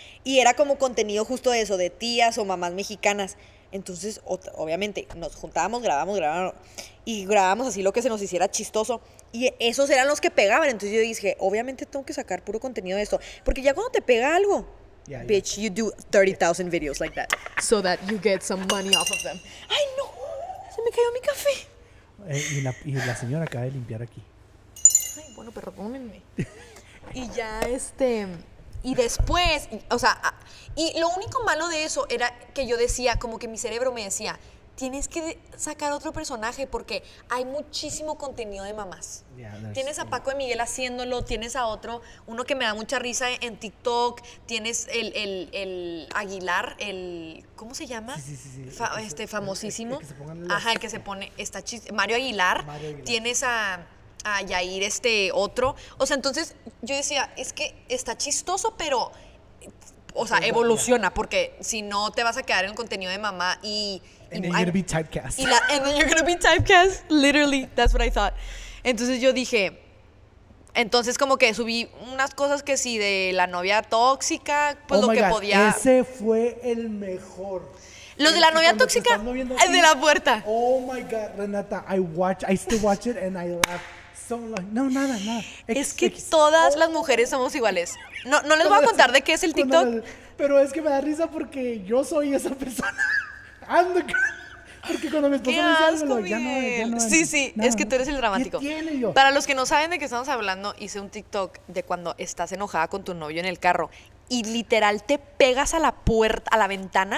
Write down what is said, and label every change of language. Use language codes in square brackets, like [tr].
[es] Y era como contenido justo de eso, de tías o mamás mexicanas. Entonces, obviamente, nos juntábamos, grabábamos, y grabábamos así lo que se nos hiciera chistoso. Y esos eran los que pegaban. Entonces yo dije, obviamente tengo que sacar puro contenido de esto. Porque ya cuando te pega algo, [en] yeah, bitch, yeah. You do 30,000 videos like that. So that you get some money off of them. [es] ¡Ay, no! Se me cayó mi café. Y la señora acaba de limpiar aquí. Ay, bueno, perdónenme. Y ya, y después, o sea, y lo único malo de eso era que yo decía, como que mi cerebro me decía, tienes que sacar otro personaje porque hay muchísimo contenido de mamás. Tienes a Paco y Miguel haciéndolo, tienes a otro, uno que me da mucha risa en TikTok, tienes el Aguilar, el, ¿cómo se llama? Sí, sí, sí. Sí. Famosísimo. El que se pone, está chiste. Mario Aguilar. Tienes a Yair, otro. O sea, entonces yo decía, es que está chistoso, pero, o sea, evoluciona, porque si no te vas a quedar en el contenido de mamá y [en] and then you're gonna be typecast. And then you're gonna be typecast, literally, that's what I thought. [es] Entonces yo dije, entonces como que subí unas cosas que sí de la novia tóxica, pues [en] oh [es] lo que [en] God. [es] Podía. Ese fue el mejor. Los de la novia tóxica, el de la puerta. [en] Oh my God, Renata, I still watch it and I laugh. [es] No, nada, nada. Es que todas las mujeres somos iguales. No, no les voy a contar de qué es el TikTok. Pero es que me da risa porque yo soy esa persona. [en] I'm the girl. [es] Porque cuando mi esposo me dice algo, ya no. Sí, sí, nada. Es que tú eres el dramático. ¿Qué tiene yo? Para los que no saben de qué estamos hablando, hice un TikTok de cuando estás enojada con tu novio en el carro y literal te pegas a la puerta, a la ventana.